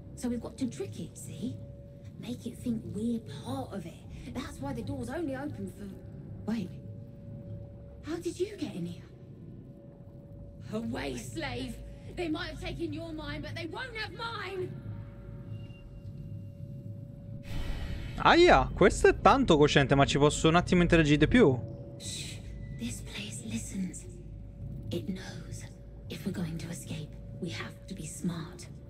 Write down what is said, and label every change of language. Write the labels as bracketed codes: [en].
[en] So we've got to trick it, see? Make it think we're part of it. That's why the door's only open for... Wait. How did you get in here? Away, slave! They might have taken your mind, but they won't have mine! [it] Aia, questo è tanto cosciente, ma ci posso un attimo interagire di più? [en] Shh, this place listens. It knows. If we're going to escape, we have to be smart.